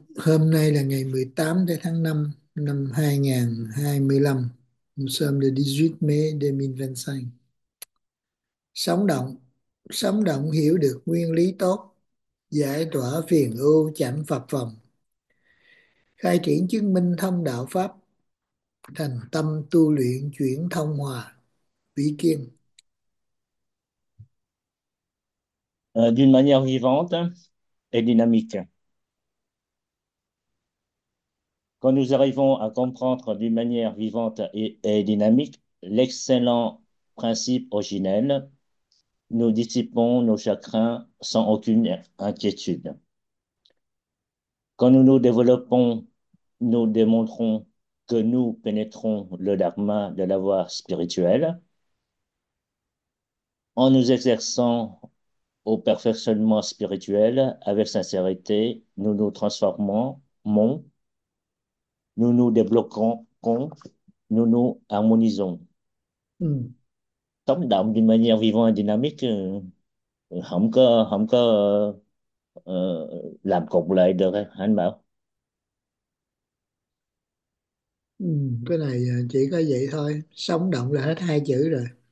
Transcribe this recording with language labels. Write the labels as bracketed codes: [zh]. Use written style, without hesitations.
[vi] Hôm nay là ngày 18 tháng 5 năm 2025, [fr] nous sommes le 18 mai 2025. [vi] Sống động hiểu được nguyên lý tốt, giải tỏa phiền ưu chẳng phập phồng, khai triển chứng minh thông đạo pháp, thành tâm tu luyện chuyển thông hòa, vĩ kiên. [fr] D'une manière vivante et dynamique. Quand nous arrivons à comprendre d'une manière vivante et dynamique l'excellent principe originel, nous dissipons nos chagrins sans aucune inquiétude. Quand nous nous développons, nous démontrons que nous pénétrons le dharma de la voie spirituelle. En nous exerçant au perfectionnement spirituel avec sincérité, nous nous transformons, nous nous débloquons, nous nous harmonisons. Sommes d'âme d'une manière vivante et dynamique, [vi] không có làm cộng lại được, anh bảo. Cái này chỉ có vậy thôi, sống động là hết hai chữ rồi.